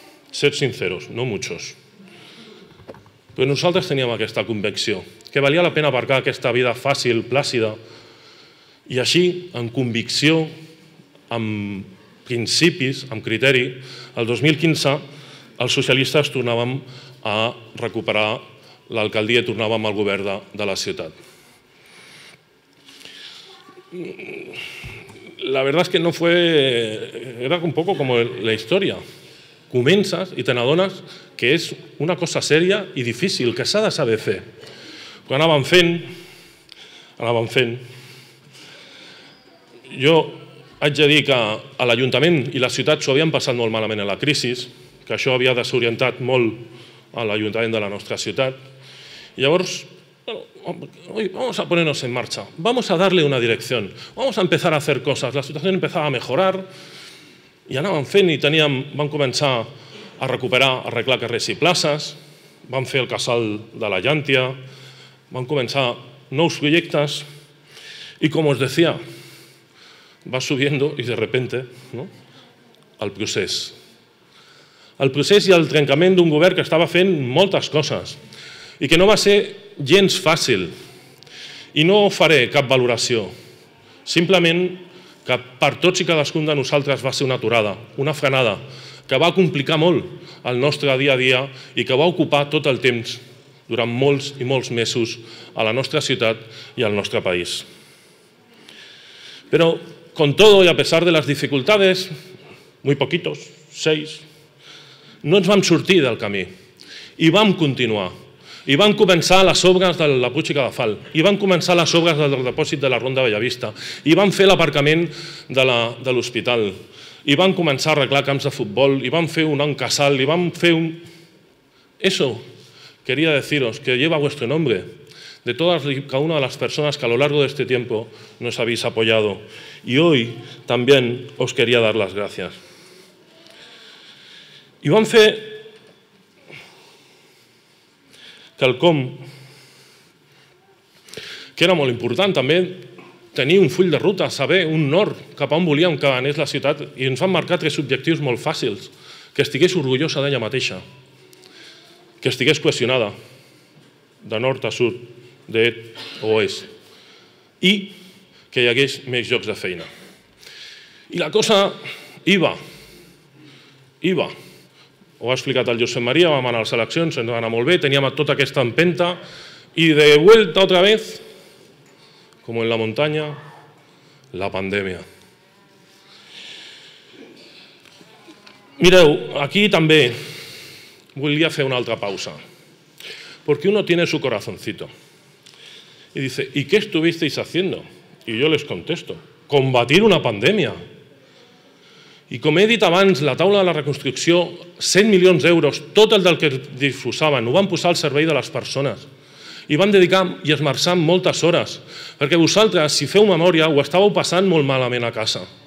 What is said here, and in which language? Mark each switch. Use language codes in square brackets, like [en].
[es] Sed sinceros, no muchos. [ca] Però nosaltres teníem aquesta convicció, que valia la pena aparcar aquesta vida fàcil, plàcida, i així, amb convicció, amb principis, amb criteri, el 2015 els socialistes tornàvem a recuperar l'alcaldia i tornàvem al govern de la ciutat. [es] La verdad es que no fue, era un poco como la historia. [ca] Comences i te n'adones que és una cosa seria i difícil, que s'ha de saber fer. Però anàvem fent. Jo haig de dir que a l'Ajuntament i la ciutat s'ho havien passat molt malament a la crisi, que això havia desorientat molt a l'Ajuntament de la nostra ciutat. [es] Llavors, vamos a ponernos en marcha, vamos a darle una dirección, vamos a empezar a hacer cosas. La situación empezaba a mejorar [ca] i anàvem fent i teníem, vam començar a recuperar, a arreglar carrers i places, vam fer el casal de la Llàntia, vam començar nous projectes i, com us decía, va subiendo i [es] de repente, ¿no?, [ca] el procés. El procés i el trencament d'un govern que estava fent moltes coses i que no va ser gens fàcil. I no faré cap valoració, simplement que per tots i cadascun de nosaltres va ser una aturada, una frenada, que va complicar molt el nostre dia a dia i que va ocupar tot el temps, durant molts i molts mesos, a la nostra ciutat i al nostre país. Però, [es] con todo y a pesar de las dificultades, muy poquitos, [ca] 6, no ens vam sortir del camí i vam continuar. I van començar les obres de la Puig i Cadafalch, i van començar les obres del depòsit de la Ronda Bellavista, i van fer l'aparcament de l'hospital, i van començar a arreglar camps de futbol, i van fer un encasal, i van fer un... [es] Eso quería deciros que lleva vuestro nombre, de todas y cada una de las personas que a lo largo de este tiempo nos habéis apoyado. Y hoy también os quería dar las gracias. [ca] I van fer quelcom que era molt important, també tenir un full de ruta, saber un nord cap a on volíem que anés la ciutat, i ens van marcar 3 objectius molt fàcils: que estigués orgullosa d'ella mateixa, que estigués cohesionada de nord a sud, d'est a oest, i que hi hagués més llocs de feina. I la cosa iba. Ho ha explicat el Josep Maria, vam anar a les eleccions, ens va anar molt bé, teníem tota aquesta empenta, i [es] de vuelta otra vez, [ca] com en la muntanya, la pandèmia. Mireu, aquí també volia fer una altra pausa, perquè [es] uno tiene su corazoncito. I dice, ¿y qué estuvisteis haciendo? [ca] I jo les contesto, combatir una pandèmia. I com he dit abans, la taula de la reconstrucció, 100 milions d'euros, tot el del que disposaven, ho van posar al servei de les persones. I van dedicar i esmerçar moltes hores. Perquè vosaltres, si feu memòria, ho estàveu passant molt malament a casa.